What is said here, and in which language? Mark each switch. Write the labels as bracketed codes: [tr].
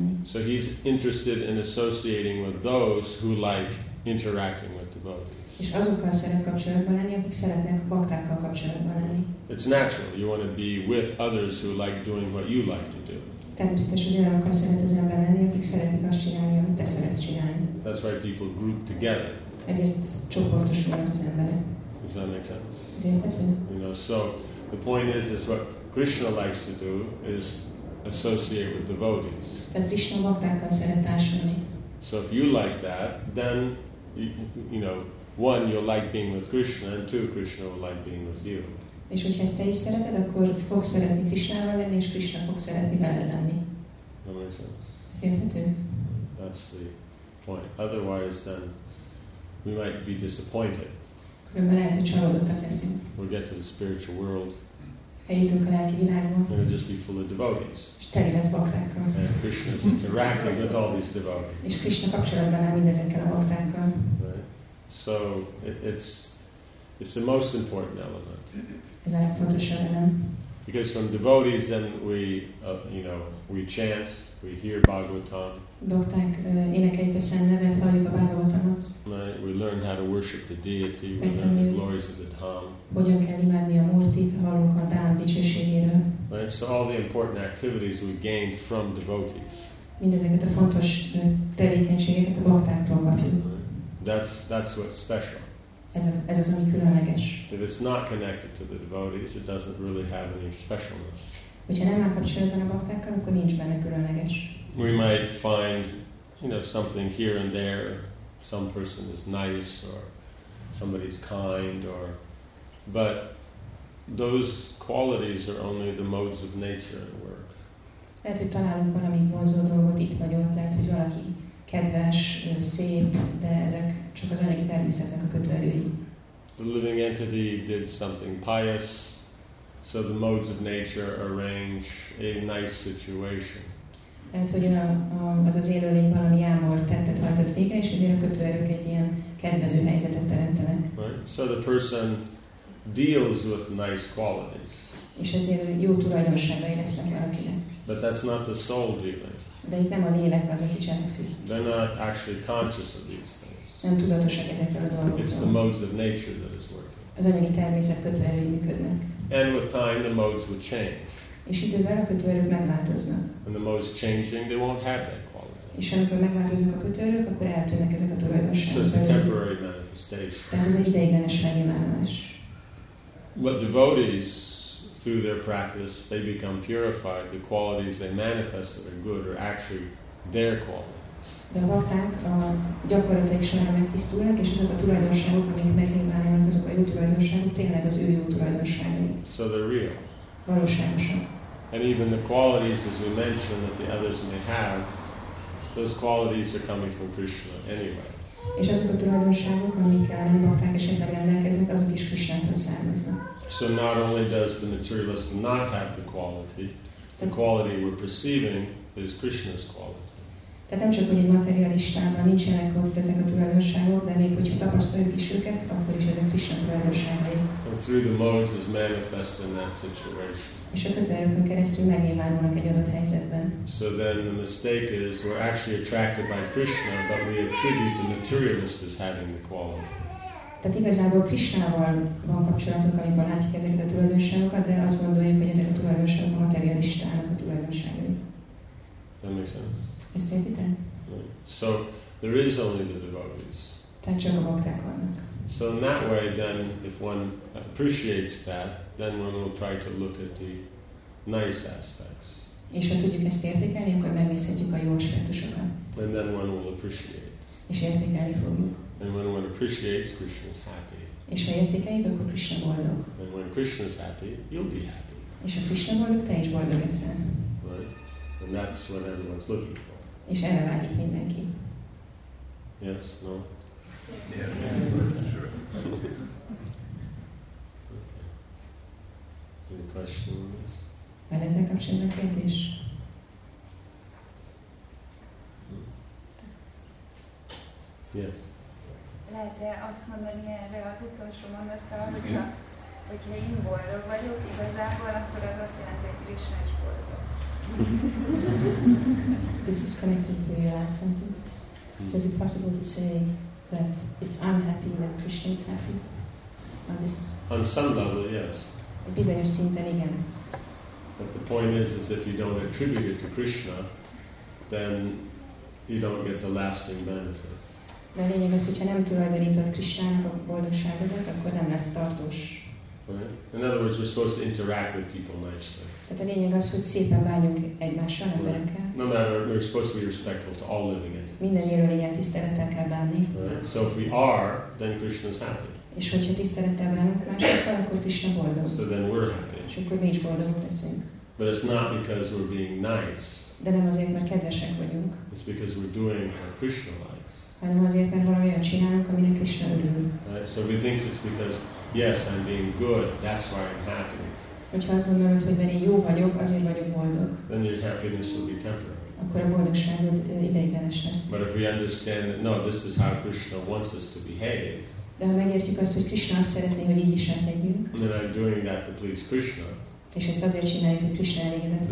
[en] So he's interested in associating with those who like interacting with devotees. [hu] És azokkal szeret kapcsolatban lenni, akik szeretnek a baktákkal kapcsolatban lenni. [en] It's natural. You want to be with others who like doing what you like to do. [hu] Természetes, hogy olyanokkal szeret az ember lenni, akik szeretik azt csinálni, amit te szeretsz csinálni. [en] That's why people group together. [hu] Ezért csoportosulnak az emberek. [en] Does that make sense? You know, so the point is what Krishna likes to do is associate with devotees. [hu] Tehát Krishna baktákkal szeret társulni. [en] So if you like that, then you know, one, you'll like being with Krishna, and two, Krishna will like being with you. [hu] És hogyha ezt te is szereted, akkor fogsz szeretni Krishnával lenni, és Krishna fog szeretni veled lenni. [en] That makes sense. [hu] Ez érthető. [en] That's the point. Otherwise, then we might be disappointed. [hu] Különben lehet, hogy csalódottak leszünk. [en] We'll get to the spiritual world. [hu] Eljutunk a lelki világba. [en] And it'll just be full of devotees. [hu] És teli lesz baktákkal. [en] And Krishna's interacting with all these devotees. [hu] És Krishna kapcsolatban áll mindezekkel a baktákkal. [en] Right. So it's the most important element. [hu] Ez a legfontosabb elem. [en] Because from devotees, then we, you know, we chant, we hear Bhagavatam. [hu] Bhakták énekeljük a szent nevet, halljuk a Bhagavatamot. [en] Right, we learn how to worship the deity, we learn the glories of the Dham. [hu] Hogyan kell imádni a Murtit, hallunk a Dham dicsőségét. [en] And so all the important activities we gain from devotees. [hu] Mindezeket a fontos tevékenységeket a baktáktól kapjuk. [en] That's what's special. [hu] Ez az, ami különleges. [en] If it's not connected to the devotees, it doesn't really have any specialness. [hu] Hogyha nem áll kapcsolatban a baktákkal, akkor nincs benne különleges. [en] We might find, you know, something here and there. Some person is nice, or somebody's kind, or but those qualities are only the modes of nature at work. [hu] Lehet, hogy találunk valami vonzó dolgot itt vagy ott, lehet, hogy valaki kedves, szép, de ezek csak az anyagi természetnek a kötőerői. [en] The living entity did something pious, so the modes of nature arrange a nice situation. [hu] Lehet, hogy az élőlény valami ámor tettet hajtott végre, és ezért a kötőerők egy ilyen kedvező helyzetet teremtenek. [en] Right. So the person deals with nice qualities. [hu] És ezért jó tulajdonságai lesznek valakinek. [en] But that's not the soul dealing. [hu] De itt nem a lélek az, aki cselekszik. [en] They're not actually conscious of these things. [hu] Nem tudatosak ezekről a dolgokról. [en] It's the modes of nature that is working. [hu] Az anyagi természet kötőerői működnek. [en] And with time, the modes will change. [hu] És idővel a kötőerők megváltoznak. [en] And the modes changing, they won't have that quality. [hu] És amikor megváltoznak a kötőerők, akkor eltűnnek ezek a tulajdonságok. [en] So it's a temporary manifestation. [hu] De ez egy ideiglenes megnyilvánulás. [en] But devotees, through their practice, they become purified. The qualities they manifest that are good are actually their qualities. [hu] De a bakták a gyakorlatai során megtisztulnak, és azok a tulajdonságok, amik megnyilvánulnak, azok a jó tulajdonságok, tényleg az ő jó tulajdonságok. [en] So they're real. [hu] Valóságosan. [en] And even the qualities, as we mentioned, that the others may have, those qualities are coming from Krishna anyway. [hu] És azok a tulajdonságok, amikkel a bakták esetleg rendelkeznek, azok is Krisnától származnak. [en] So not only does the materialist not have the quality we're perceiving is Krishna's quality. [hu] Tehát nem csak, hogy egy materialistában nincsenek ott ezek a tulajdonságok, de még hogyha tapasztaljuk is őket, akkor is ezek Krishna tulajdonságai. [en] And through the modes is manifest in that situation. [hu] És a kötőerőkön keresztül megnyilvánulnak egy adott helyzetben. [en] So then the mistake is we're actually attracted by Krishna, but we attribute the materialist as having the quality. [hu] Tehát igazából Krisnával van kapcsolatok, amikor látjuk ezeket a tulajdonságokat, de azt gondoljuk, hogy ezek a tulajdonságok a materialistának a tulajdonságai. [en] That makes sense. [hu] Ezt értitek? [en] Right. So there is only the devotees. [hu] Tehát csak a bakták vannak. [en] So in that way, then, if one appreciates that, then one will try to look at the nice aspects. [hu] És ha tudjuk ezt értékelni, akkor megnézhetjük a jó aspektusokat. [en] And then one will appreciate. [hu] És értékelni fogjuk. [en] And when one appreciates, Krishna is happy. [hu] És ha értékeljük, akkor Krishna boldog. [en] And when Krishna is happy, you'll be happy. [hu] És ha Krishna boldog, te is boldog leszel. [en] Right? And that's what everyone's looking for. [hu] És erre vágyik mindenki. [en] Yes? No? Yes. Any questions on this? [hu] Van ezzel kapcsolatban kérdés? [en] Yes. [hu] Lehet-e azt mondani erre az utolsó mondatra, hogyha én boldog vagyok igazából, akkor az azt jelenti, hogy Krishna is boldog. [en] This is connected to your last sentence. So is it possible to say that if I'm happy, then Krishna is happy? On this? On some level, yes. [hu] A bizonyos szinten, igen. [en] But the point is if you don't attribute it to Krishna, then you don't get the lasting benefit. [hu] De a lényeg az, hogyha nem tulajdonítod Krisnának a boldogságodat, akkor nem lesz tartós. [en] Right. In other words, we're supposed to interact with people nicely. [hu] Tehát a lényeg az, hogy szépen bánjunk egymással, right, emberekkel. [en] No matter, we're supposed to be respectful to all living entities. [hu] Minden élőlényen tisztelettel kell bánni. [en] Right. So if we are, then Krishna is happy. [hu] És hogyha tisztelettel bánunk másokkal, akkor Krishna boldog. [en] So then we're happy. [hu] És akkor mi is boldogok leszünk. [en] But it's not because we're being nice. [hu] De nem azért, mert kedvesek vagyunk. [en] It's because we're doing our Krishna life. [hu] Hanem azért, mert valami olyan csinálunk, aminek Krishna örül. [en] Right, so he thinks it's because, yes, I'm being good, that's why I'm happy. [hu] Hogyha azt gondolod, hogy mert én jó vagyok, azért vagyok boldog. [en] Then your happiness will be temporary. [hu] Akkor a boldogságod ideiglenes lesz. [en] But if we understand that, no, this is how Krishna wants us to behave. [hu] De ha megértjük azt, hogy Krishna azt szeretné, hogy így is elmegyünk. [en] Then I'm doing that to please Krishna. [hu] És ezt azért csináljuk, hogy Krishna elégedett.